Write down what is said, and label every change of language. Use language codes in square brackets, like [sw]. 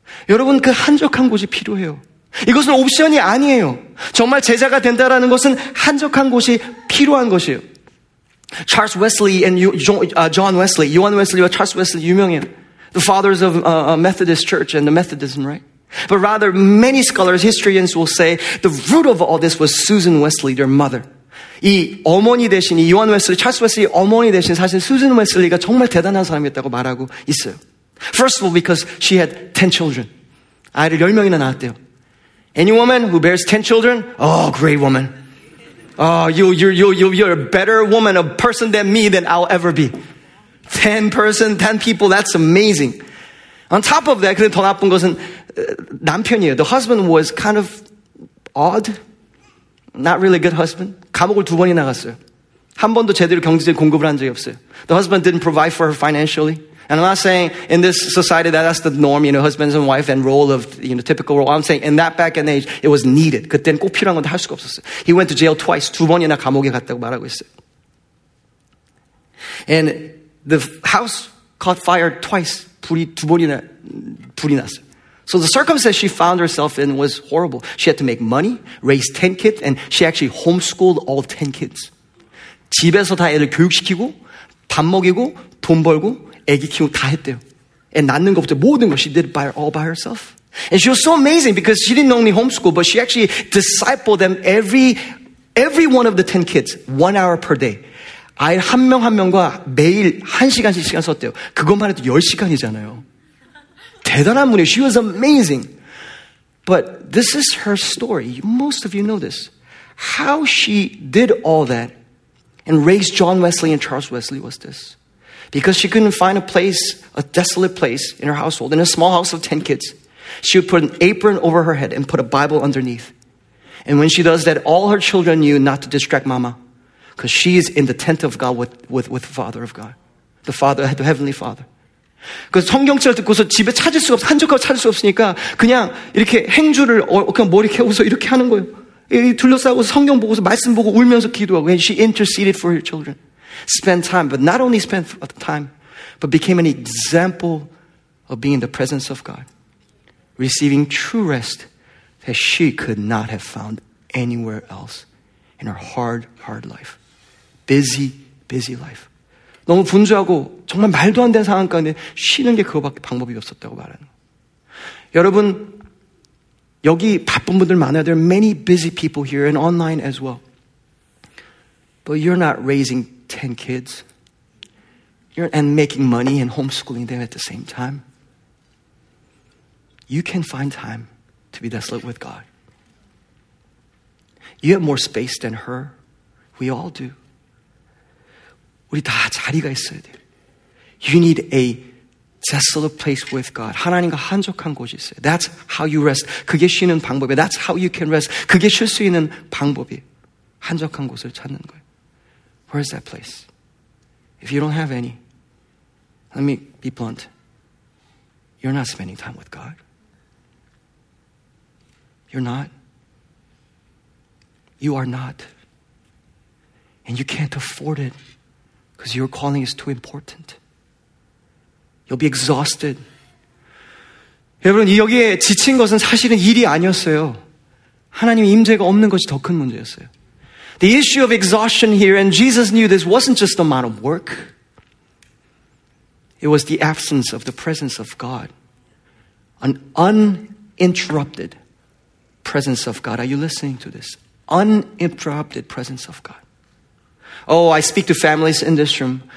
[ko] 여러분, 그 한적한 곳이 필요해요. 이것은 옵션이 아니에요. 정말 제자가 된다라는 것은 한적한 곳이 필요한 것이에요. Charles Wesley and John Wesley, John Wesley와 Charles Wesley, 유명해요. [en] The fathers of Methodist Church and the Methodism, right? But rather, many scholars, historians will say the root of all this was Susan Wesley, their mother. [ko] 이 어머니 대신 이 요한 웨슬리, 찰스 웨슬리 어머니 대신 사실 수잔 웨슬리가 정말 대단한 사람이었다고 말하고 있어요. [en] First of all, because she had 10 children. [ko] 아이를 10명이나 낳았대요. [en] Any woman who bears 10 children, oh, great woman. Oh, you're a better woman, a person than me than I'll ever be. 10 people, that's amazing. On top of that, [ko] 근데 더 나쁜 것은 남편이에요. [en] The husband was kind of odd. Not really a good husband. [ko] 감옥을 두 번이나 갔어요. 한 번도 제대로 경제적인 공급을 한 적이 없어요. [en] The husband didn't provide for her financially. And I'm not saying in this society that that's the norm, you know, husbands and wife and role of, you know, typical role. I'm saying in that back in age, it was needed. [ko] 그때는 꼭 필요한 건데 할 수가 없었어요. [en] He went to jail twice. [ko] 두 번이나 감옥에 갔다고 말하고 있어요. [en] And the house caught fire twice. [ko] 불이 두 번이나 불이 났어요. [en] So the circumstance she found herself in was horrible. She had to make money, raise 10 kids, and she actually homeschooled all 10 kids. [ko] 집에서 다 애들 교육시키고, 밥 먹이고, 돈 벌고, 애기 키우고 다 했대요. [en] And [ko] 낳는 것부터 모든 것, [en] she did it by, all by herself. And she was so amazing because she didn't only homeschool, but she actually discipled them every one of the 10 kids, 1 hour per day. [ko] 아이 한 명 한 명과 매일 한 시간씩 시간 썼대요. 그것만 해도 10시간이잖아요. 대단한 분이에요. [en] She was amazing. But this is her story. Most of you know this. how she did all that and raised John Wesley and Charles Wesley was this. Because she couldn't find a place, a desolate place in her household, in a small house of 10 kids, she would put an apron over her head and put a Bible underneath. And when she does that, all her children knew not to distract Mama, because she is in the tent of God with the Father of God, the Father, the Heavenly Father. [ko] 그 성경책을 듣고서 집에 찾을 수가 없, 한적하고 찾을 수 없으니까 그냥 이렇게 행주를 그냥 머리 캐고서 이렇게 하는 거예요. 둘러싸고 성경 보고서 말씀 보고 울면서 기도하고. [en] And she interceded for her children. Spent time, but not only spent time, but became an example of being in the presence of God. Receiving true rest that she could not have found anywhere else in her hard, hard life. Busy, busy life. [ko] 너무 분주하고 정말 말도 안 되는 상황 가운데 쉬는 게 그거밖에 방법이 없었다고 말하는 거예요. 여러분, 여기 바쁜 분들 많아요. [en] There are many busy people here and online as well. But you're not raising 10 kids. You're and making money and homeschooling them at the same time. You can find time to be desolate with God. You have more space than her. We all do. [ko] 우리 다 자리가 있어야 돼. [en] You need a desolate place with God. [ko] 하나님과 한적한 곳이 있어요. [en] That's how you rest. [ko] 그게 쉬는 방법이에요. [en] That's how you can rest. [ko] 그게 쉴 수 있는 방법이에요. 한적한 곳을 찾는 거예요. [en] Where is that place? If you don't have any, let me be blunt. You're not spending time with God. You're not. You are not. And you can't afford it. Because your calling is too important. You'll be exhausted. [ko] 여러분, 여기에 지친 것은 사실은 일이 아니었어요. 하나님의 임재가 없는 것이 더 큰 문제였어요. [en] The issue of exhaustion here, and Jesus knew this, wasn't just the amount of work. It was the absence of the presence of God. An uninterrupted presence of God. Are you listening to this? Uninterrupted presence of God. Oh, I speak to families in this room.